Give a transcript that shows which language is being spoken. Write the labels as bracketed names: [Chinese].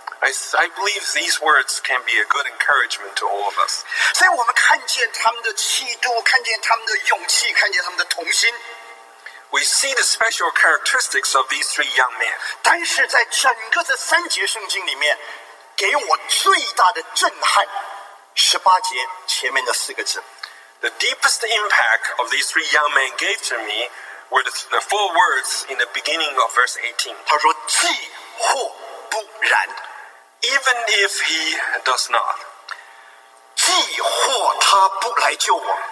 [English] I believe these words can be a good encouragement to all of us. [Chinese] 所以我们看见他们的气度，看见他们的勇气，看见他们的童心。 [English] We see the special characteristics of these three young men. [Chinese] 但是在整个这三节圣经里面，给我最大的震撼，十八节前面的四个字。 [English] The deepest impact of these three young men gave to me were the four words in the beginning of verse 18. [Chinese] 他说，既或不然。 [English] Even if he does not, [Chinese] 既或他不来救我,